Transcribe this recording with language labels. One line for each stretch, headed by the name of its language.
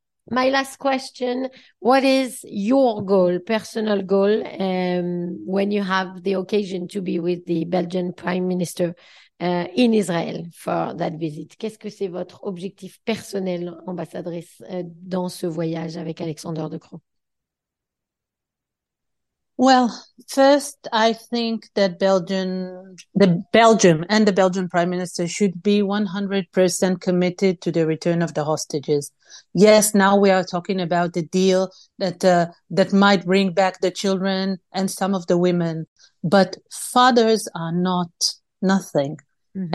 English: My last question, what is your goal, personal goal, when you have the occasion to be with the Belgian Prime Minister in Israel for that visit?
French: Qu'est-ce que c'est votre objectif personnel, ambassadrice, dans ce voyage avec Alexander De Croo?
English: Well, first, I think that Belgium and the Belgian Prime Minister should be 100% committed to the return of the hostages. Yes, now we are talking about the deal that might bring back the children and some of the women, but fathers are not nothing. Mm-hmm.